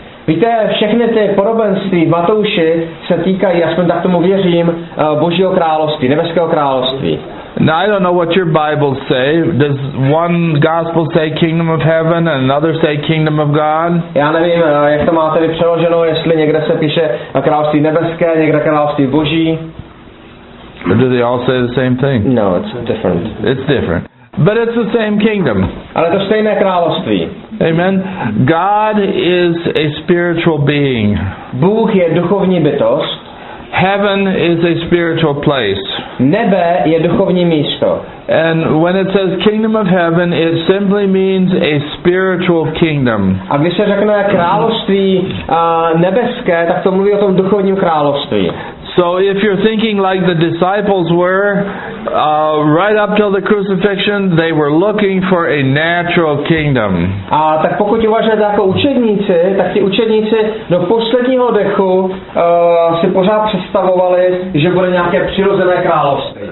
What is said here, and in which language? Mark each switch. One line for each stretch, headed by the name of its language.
Czech: Víte, všechny ty podobenství v Matouši se týkají, aspoň tak tomu věřím, Božího království, nebeského království.
English: Now, I don't know what your Bibles say. Does one gospel say kingdom of heaven and another say kingdom of God?
Czech: Já nevím, jak to máte vy přeloženo, jestli někde se píše království nebeské, někde království boží.
English: Or do they all say the same thing? No, it's different. It's different. But it's the same kingdom.
Czech: Ale to stejné království.
English: Amen. God is a spiritual being.
Czech: Bůh je duchovní bytost.
English: Heaven is a spiritual place.
Czech: Nebe je duchovní místo.
English: And when it says kingdom of heaven, it simply means a spiritual kingdom.
Czech: A když se řekne království nebeské, tak to mluví o tom duchovním království.
English: So if you're thinking like the disciples were, right up till the crucifixion, they were looking for a natural kingdom.
Czech: A tak pokud uvažujete jako učedníci, tak ti učedníci do posledního dechu si pořád představovali, že bude nějaké přirozené království.